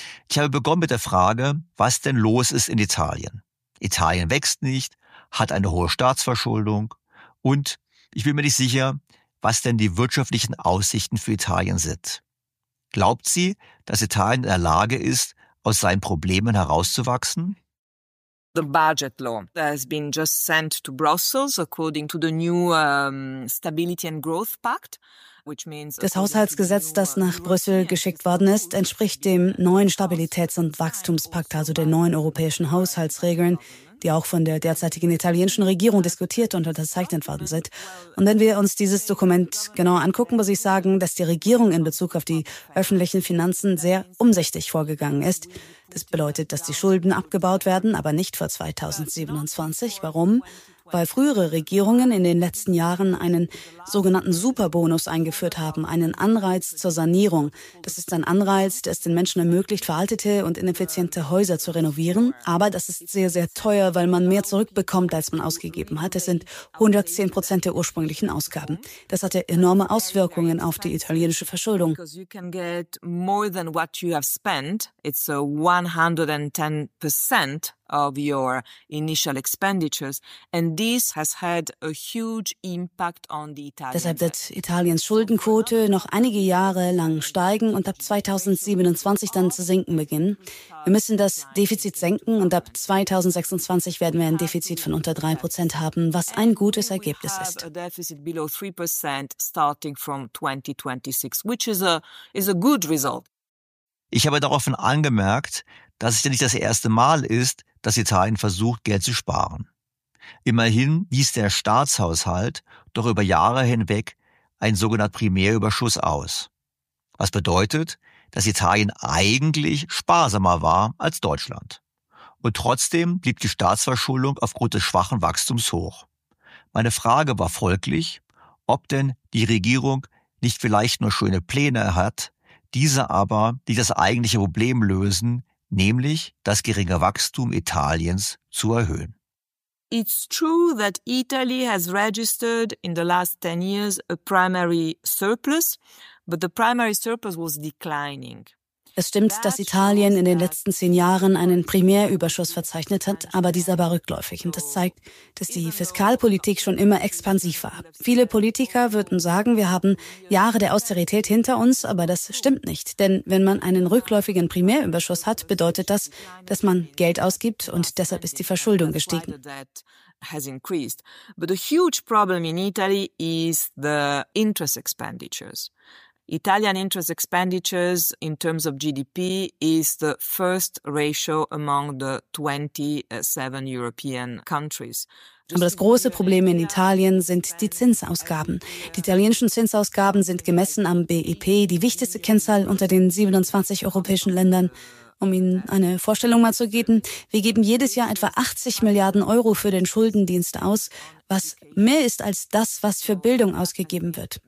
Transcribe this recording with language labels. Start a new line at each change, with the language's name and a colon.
German: Ich habe begonnen mit der Frage, was denn los ist in Italien. Italien wächst nicht, hat eine hohe Staatsverschuldung und ich bin mir nicht sicher, was denn die wirtschaftlichen Aussichten für Italien sind. Glaubt sie, dass Italien in der Lage ist, aus seinen Problemen herauszuwachsen?
English: The budget law has been just sent to Brussels according to the new Stability and Growth Pact, which means
German: das Haushaltsgesetz, das nach Brüssel geschickt worden ist, entspricht dem neuen Stabilitäts- und Wachstumspakt, also der neuen europäischen Haushaltsregeln, die auch von der derzeitigen italienischen Regierung diskutiert und unterzeichnet worden sind. Und wenn wir uns dieses Dokument genauer angucken, muss ich sagen, dass die Regierung in Bezug auf die öffentlichen Finanzen sehr umsichtig vorgegangen ist. Das bedeutet, dass die Schulden abgebaut werden, aber nicht vor 2027. Warum? Weil frühere Regierungen in den letzten Jahren einen sogenannten Superbonus eingeführt haben, einen Anreiz zur Sanierung. Das ist ein Anreiz, der es den Menschen ermöglicht, veraltete und ineffiziente Häuser zu renovieren. Aber das ist sehr, sehr teuer, weil man mehr zurückbekommt, als man ausgegeben hat. Das sind 110% der ursprünglichen Ausgaben. Das hatte enorme Auswirkungen auf die italienische Verschuldung.
English: You can get more than what you have spent. It's 110% of your initial expenditures, and this has had a huge impact on the Italian.
German: Deshalb wird Italiens Schuldenquote noch einige Jahre lang steigen und ab 2027 dann zu sinken beginnen. Wir müssen das Defizit senken und ab 2026 werden wir ein Defizit von unter 3% haben, was ein gutes Ergebnis ist.
English: A deficit below 3% starting from 2026, which is a good result.
German: Ich habe daraufhin angemerkt, dass es ja nicht das erste Mal ist, dass Italien versucht, Geld zu sparen. Immerhin wies der Staatshaushalt doch über Jahre hinweg einen sogenannten Primärüberschuss aus. Was bedeutet, dass Italien eigentlich sparsamer war als Deutschland. Und trotzdem blieb die Staatsverschuldung aufgrund des schwachen Wachstums hoch. Meine Frage war folglich, ob denn die Regierung nicht vielleicht nur schöne Pläne hat, diese aber, die das eigentliche Problem lösen, nämlich das geringe Wachstum Italiens zu erhöhen.
English: It's true that Italy has registered in the last 10 years a primary surplus, but the primary surplus was declining.
German: Es stimmt, dass Italien in den letzten 10 Jahren einen Primärüberschuss verzeichnet hat, aber dieser war rückläufig. Und das zeigt, dass die Fiskalpolitik schon immer expansiv war. Viele Politiker würden sagen, wir haben Jahre der Austerität hinter uns, aber das stimmt nicht. Denn wenn man einen rückläufigen Primärüberschuss hat, bedeutet das, dass man Geld ausgibt und deshalb ist die Verschuldung gestiegen.
English: Has increased. But a huge problem in Italy is the interest expenditures. Italian interest expenditures in terms of GDP is the first ratio among the 27 European countries.
German: Aber das große Problem in Italien sind die Zinsausgaben. Die italienischen Zinsausgaben sind gemessen am BIP, die wichtigste Kennzahl unter den 27 europäischen Ländern. Um Ihnen eine Vorstellung mal zu geben, wir geben jedes Jahr etwa 80 Milliarden Euro für den Schuldendienst aus, was mehr ist als das, was für Bildung ausgegeben wird.